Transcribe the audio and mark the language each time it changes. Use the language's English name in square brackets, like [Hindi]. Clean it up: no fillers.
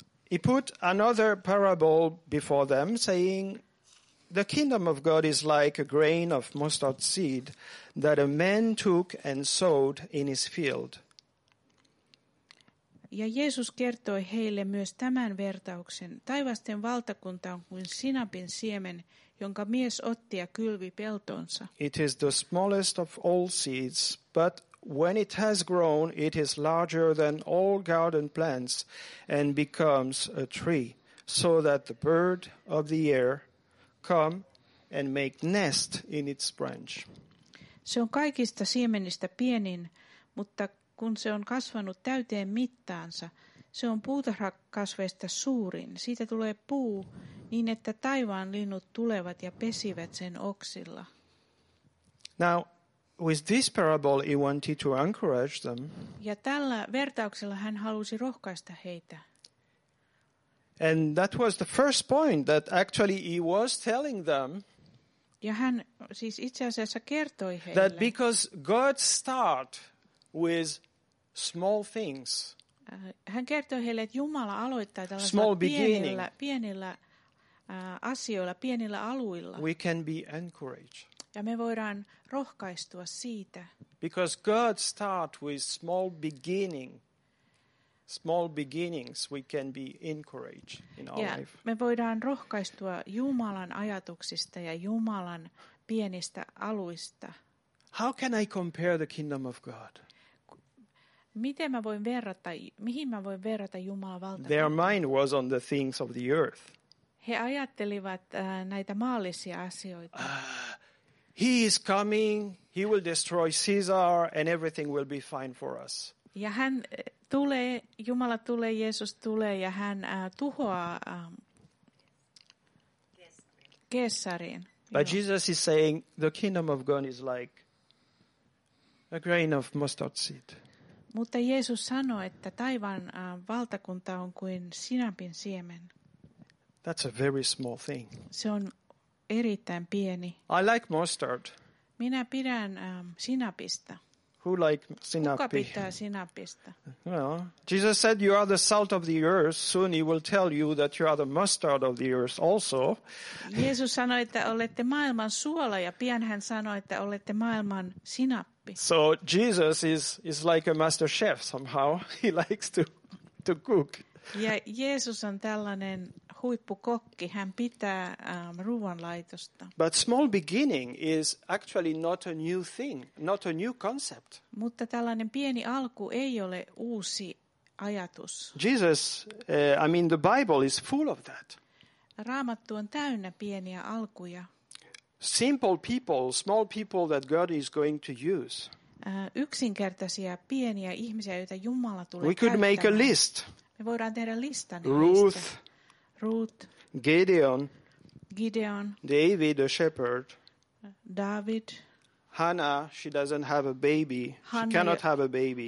[English] he put another parable before them, saying, the kingdom of God is like a grain of mustard seed that a man took and sowed in his field. [Finnish] Ja Jeesus kertoi heille myös tämän vertauksen. Taivasten valtakunta on kuin sinapin siemen, jonka mies otti ja kylvi peltonsa. [English] It is the smallest of all seeds, but when it has grown, it is larger than all garden plants and becomes a tree, so that the bird of the air come and make nest in its branch. [Finnish] Se on kaikista siemenistä pienin, mutta kun se on kasvanut täyteen mittaansa, se on puutarhakasveista suurin. Siitä tulee puu niin, että taivaan linnut tulevat ja pesivät sen oksilla. [English] Now, with this parable, he wanted to encourage them. [Finnish] Ja tällä vertauksella hän halusi rohkaista heitä. [English] And that was the first point that actually he was telling them. [Finnish] Ja hän siis itse asiassa kertoi heille. [English] That because God start with small things. [Finnish] Hän kertoi heille, että Jumala aloittaa tällaisilla pienillä asioilla, pienillä aluilla. [English] We can be encouraged. [Finnish] Ja me voidaan rohkaistua siitä. [English] Because God start with small beginning. Small beginnings, we can be encouraged in our [Finnish] ja [English] life. [Finnish] Me voidaan rohkaistua Jumalan ajatuksista ja Jumalan pienistä aluista. [English] How can I compare the kingdom of God? [Finnish] Miten mä voin verrata, mihin mä voin verrata Jumalan valtakuntaa? [English] Their mind was on the things of the earth. [Finnish] He ajattelivat näitä maallisia asioita. [English] He is coming, he will destroy Caesar and everything will be fine for us. [Finnish] Ja hän tulee, Jumala tulee, Jeesus tulee ja hän tuhoaa keisarin. [English] But Jesus is saying the kingdom of God is like a grain of mustard seed. [Finnish] Mutta Jeesus sanoi, että taivaan valtakunta on kuin sinapin siemen. [English] That's a very small thing. [Finnish] Se on erittäin pieni. [English] I like mustard. [Finnish] Minä pidän sinapista. [English] Who like sinappi? [Finnish] Kuka pitää sinapista? [English] Well, Jesus said you are the salt of the earth. Soon he will tell you that you are the mustard of the earth also. [Finnish] Jeesus sanoi, että olette maailman suola ja pian hän sanoi, että olette maailman sinappi. [English] So Jesus is like a master chef somehow. He likes to cook. [Finnish] Ja Jeesus on tällainen huippukokki, hän pitää ruoanlaitosta. [English] But small beginning is actually not a new thing, not a new concept. [Finnish] Mutta tällainen pieni alku ei ole uusi ajatus. [English] Jesus, the Bible is full of that. [Finnish] Raamattu on täynnä pieniä alkuja. [English] Simple people, small people that God is going to use. [Finnish] Yksinkertaisia pieniä ihmisiä, joita Jumala tulee käyttämään. [English] We could make a list. [Finnish] Me voidaan tehdä listan. [English] Ruth, Gideon, David, the shepherd, David, Hannah, she doesn't have a baby, Hannah, she cannot have a baby,